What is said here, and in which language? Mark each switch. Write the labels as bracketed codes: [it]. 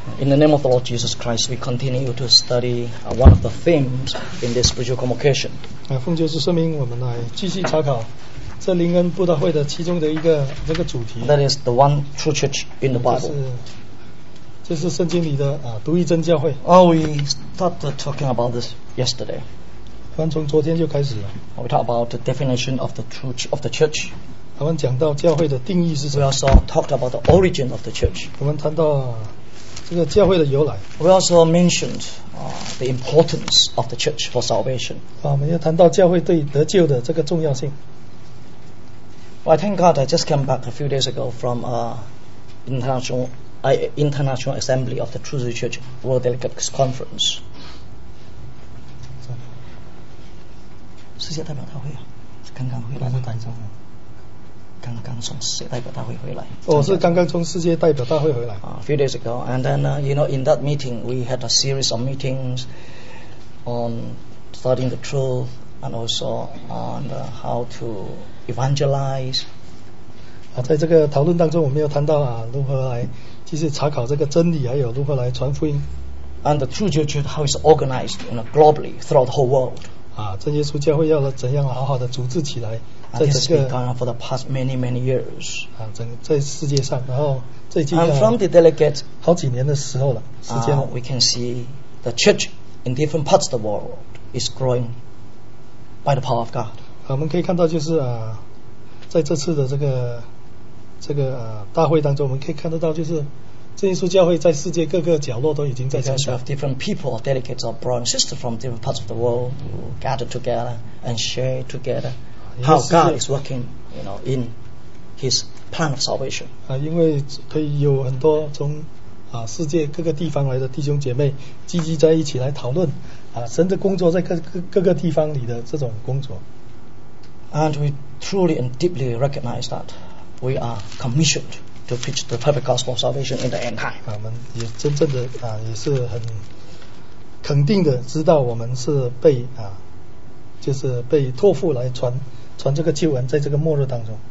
[en] the name of the Lord Jesus Christ, we continue to study one of the themes in this spiritual convocation. [zh] 奉救之圣名，我们来继续查考这灵恩布道会的其中的一个这个主题。 [en] That is the one true church in the Bible. [zh] 这是圣经里的独一真教会。 [en] Oh, we started talking about this yesterday. [zh] 我们从昨天就开始了。 [en] We talk about the definition of the truth of the church. [zh] 我们讲到教会的定义是什么？ [en] We also talked about the origin of the church. [zh] 我们谈到这个教会的由来。 [en] We also mentioned the importance of the church for salvation. [zh] 我们要谈到教会对得救的这个重要性。 [en] Well, I thank God I just came back a few days ago from International Assembly of the True Church World Delegates Conference. [zh] 世界代表大会刚刚回来的台中。刚刚从世界代表大会回来。我是刚刚从世界代表大会回来。 [en] A few days ago, and then you know, in that meeting, we had a series of meetings on studying the truth and also on how to evangelize. [zh] 在这个讨论当中，我们有谈到如何来就是查考这个真理，还有如何来传福音。 [en] And the true church, how it's organized, you know, globally throughout the whole world. [zh] 真耶稣教会要怎样好好的组织起来。 [en] For the past many many years, [zh] 在世界上，然后最近 [en] and from the delegates, [zh] 好几年的时候了，时间了 [en] we can see the church in different parts of the world is growing by the power of God. [zh] 我们可以看到，就是在这次的这个大会当中，我们可以看得到，就是真耶稣教会在世界各个角落都已经在长大。 [en] Because of different people, delegates or brothers and sisters from different parts of the world gather together and share together. How God is working, you know, in His plan of salvation. [zh] 因为可以有很多从世界各个地方来的弟兄姐妹聚集在一起来讨论神的工作在各个地方里的这种工作。 [en] And we truly and deeply recognize that we are commissioned to preach the perfect gospel of salvation in the end time. [zh] 我们也真正的也是很肯定的知道我们是被就是被托付来传这个救恩，在这个末日当中，